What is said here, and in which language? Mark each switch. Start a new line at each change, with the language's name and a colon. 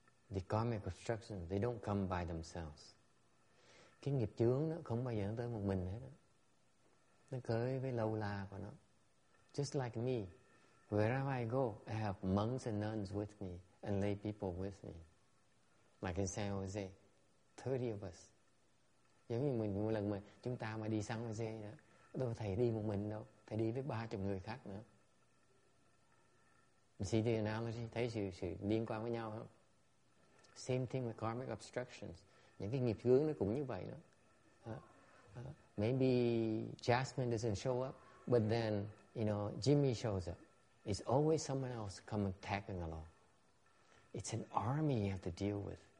English: The karmic obstruction, they don't come by themselves.
Vietnamese: Cái nghiệp chướng nó không bao giờ nó tới một mình hết. Nó tới với lâu la của nó.
English: Just like me, wherever I go, I have monks and nuns with me and lay people with me. Like in San Jose, 30 of us.
Vietnamese: Giống như mình một lần mình chúng ta mà đi San Jose đó, đâu có thầy đi một mình đâu, thầy đi với 30 người khác nữa.
English: See the analogy,
Vietnamese: thấy sự liên quan với nhau không?
English: Same thing with karmic obstructions,
Vietnamese: những cái nghiệp chướng nó cũng như vậy đó.
English: Maybe Jasmine doesn't show up, but then you know Jimmy shows up. It's always someone else come and tagging along. It's an army you have to deal with.